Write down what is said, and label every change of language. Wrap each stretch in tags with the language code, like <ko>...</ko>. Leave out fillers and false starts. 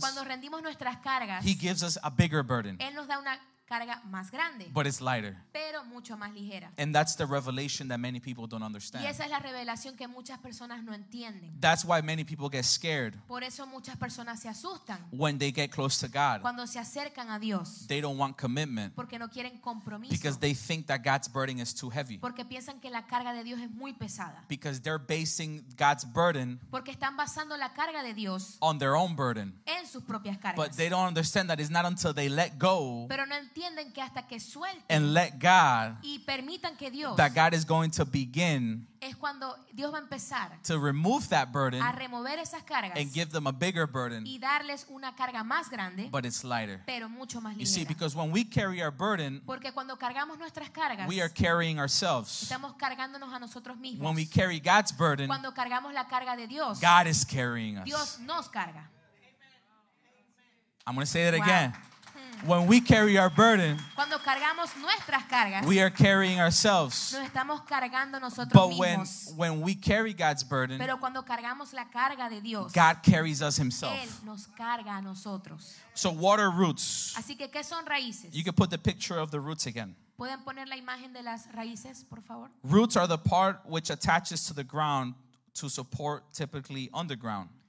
<es>cuando rendimos nuestras cargas,</es> <en>he gives us a bigger burden.</en> <es>Él nos da una carga más grande,</es> <en>but it's lighter.</en> <es>Pero mucho más ligera.</es> <en>And that's the revelation that many people don't understand.</en> <es>Y esa es la revelación que muchas personas no entienden.</es> <en>That's why many people get scared.</en> <es>Por eso muchas personas se asustan.</es> <en>When they get close to God.</en> <es>Cuando se acercan a Dios.</es> <en>They don't want commitment.</en> <es>Porque no quieren compromiso.</es> <en>Because they think that God's burden is too heavy.</en> <es>Porque piensan que la carga de Dios es muy pesada.</es> <en>Because they're basing God's burden.</en> <es>Porque están basando la carga de Dios</es> <en>on their own burden.</en> <es>En sus propias cargas.</es> <en>But they don't understand that it's not until they let go.</en> <es>Pero no entienden. entienden que hasta que suelten,</es> <en>and let God,</en> <es>y permitan que Dios,</es> <en>that God is going to begin,</en> <es>es cuando Dios va a empezar,</es> <en>to remove that burden,</en> <es>a remover esas cargas,</es> <en>and give them a bigger burden,</en> <es>y darles una carga más grande,</es> <en>but it's lighter,</en> <es>pero mucho más ligera.</es> <en>You see, because when we carry our burden,</en> <es>porque cuando cargamos nuestras cargas,</es> <en>we are carrying ourselves.</en> <es>Estamos cargándonos a nosotros mismos.</es> <en>When we carry God's burden,</en> <es>cuando cargamos la carga de Dios,</es> <en>God is carrying us.</en> <es>Dios nos carga.</es> <en>I'm going to say that again. When we carry our burden,</en> <es>cuando cargamos nuestras cargas,</es> <en>we are carrying ourselves.</en> <es>Nos estamos cargando nosotros</es> <en>but</en> <es>mismos.</es> <en>When we carry God's burden,</en> <es>pero cuando cargamos la carga de Dios,</es> <en>God carries us himself.</en> <es>Él nos carga a nosotros.</es> <en>So what are roots?</en> <es>Así que, ¿qué son raíces?</es> <en>You can put the picture of the roots again.</en> <es>¿Pueden poner la imagen de las raíces, por favor?</es> <en>Roots are the part which attaches to the ground to support typically underground.</en>